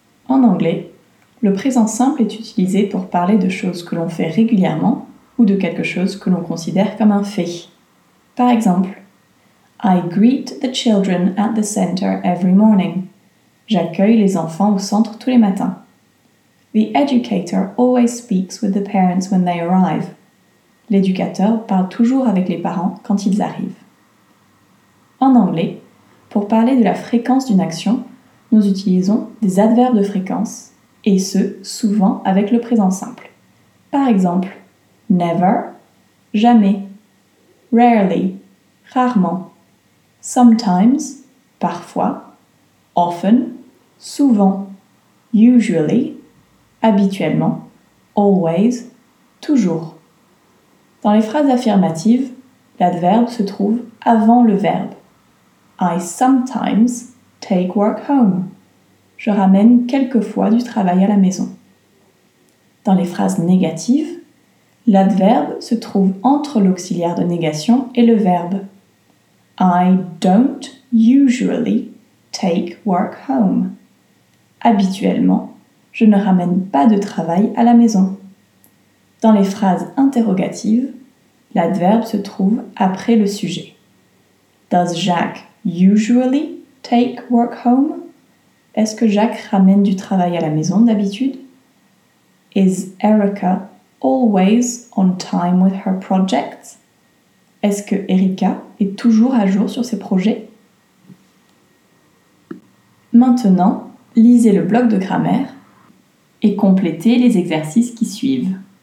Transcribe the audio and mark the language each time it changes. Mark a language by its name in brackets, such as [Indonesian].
[French] En anglais, le présent simple est utilisé pour parler de choses que l'on fait régulièrement ou de quelque chose que l'on considère comme un fait. Par exemple, [English] I greet the children at the center every morning. [French] J'accueille les enfants au centre tous les matins. [English] The educator always speaks with the parents when they arrive. [French] L'éducateur parle toujours avec les parents quand ils arrivent. En anglais, pour parler de la fréquence d'une action, nous utilisons des adverbes de fréquence, et ce, souvent avec le présent simple. Par exemple, [English] never, [French] jamais, [English] rarely, [French] rarement, [English] sometimes, [French] parfois, [English] often, [French] souvent, [English] usually, [French] habituellement, [English] always, [French] toujours. Dans les phrases affirmatives, l'adverbe se trouve avant le verbe. [English] I sometimes take work home. [French] Je ramène quelquefois du travail à la maison. Dans les phrases négatives, l'adverbe se trouve entre l'auxiliaire de négation et le verbe. [English] I don't usually take work home. [French] Habituellement, je ne ramène pas de travail à la maison. Dans les phrases interrogatives, l'adverbe se trouve après le sujet. [English] Does Jack usually take work home? [French] Est-ce que Jacques ramène du travail à la maison d'habitude? [English] Is Erica always on time with her projects? [French] Est-ce que Erica est toujours à jour sur ses projets? Maintenant, lisez le bloc de grammaire et complétez les exercices qui suivent.